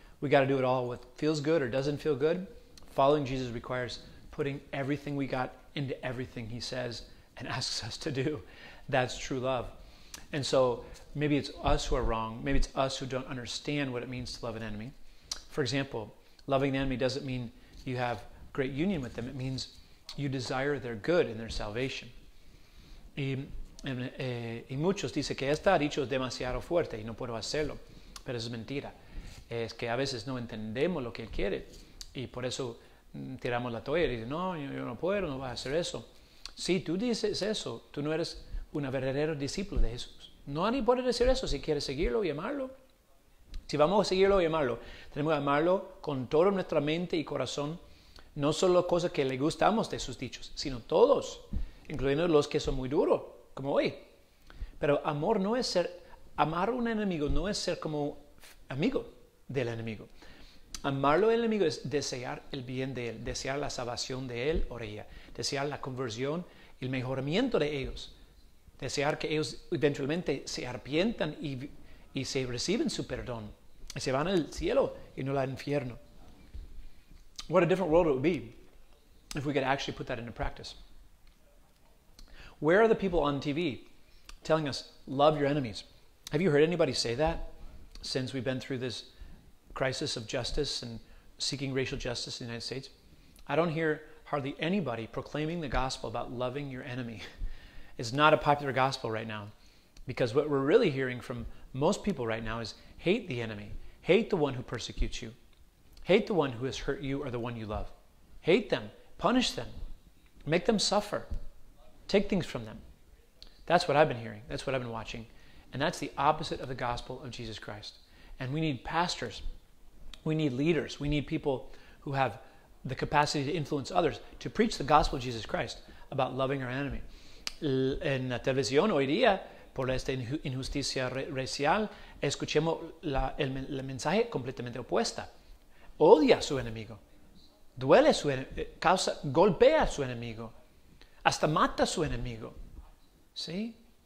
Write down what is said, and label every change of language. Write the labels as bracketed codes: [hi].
[en] We got to do it all. What feels good or doesn't feel good, following Jesus requires putting everything we got into everything he says and asks us to do. That's true love. And so maybe it's us who are wrong. Maybe it's us who don't understand what it means to love an enemy. For example, loving the enemy doesn't mean you have great union with them. It means you desire their good and their salvation. [es] Y muchos dicen que esta dicho es demasiado fuerte y no puedo hacerlo. Pero es mentira. Es que a veces no entendemos lo que él quiere. Y por eso tiramos la toalla y dicen, no, yo no puedo, no voy a hacer eso. Si tú dices eso, tú no eres un verdadero discípulo de Jesús. No ni puede decir eso si quiere seguirlo y amarlo. Si vamos a seguirlo y amarlo, tenemos que amarlo con toda nuestra mente y corazón. No solo cosas que le gustamos de sus dichos, sino todos, incluyendo los que son muy duros, como hoy. Pero amor no es ser, amar a un enemigo no es ser como amigo del enemigo. Amarlo al enemigo es desear el bien de él, desear la salvación de él o ella, desear la conversión y el mejoramiento de ellos, desear que ellos eventualmente se arrepientan y se reciben su perdón, y se van al cielo y no al infierno. [en] What a different world it would be if we could actually put that into practice. Where are the people on TV telling us, love your enemies? Have you heard anybody say that since we've been through this crisis of justice and seeking racial justice in the United States? I don't hear hardly anybody proclaiming the gospel about loving your enemy. It's not a popular gospel right now, because what we're really hearing from most people right now is hate the enemy, hate the one who persecutes you. Hate the one who has hurt you or the one you love. Hate them. Punish them. Make them suffer. Take things from them. That's what I've been hearing. That's what I've been watching. And that's the opposite of the gospel of Jesus Christ. And we need pastors. We need leaders. We need people who have the capacity to influence others to preach the gospel of Jesus Christ about loving our enemy. [es] En la televisión hoy día, por esta injusticia racial, escuchemos el mensaje completamente opuesta. Odia a su enemigo, duele su causa, golpea a su enemigo, hasta mata a su enemigo, ¿sí?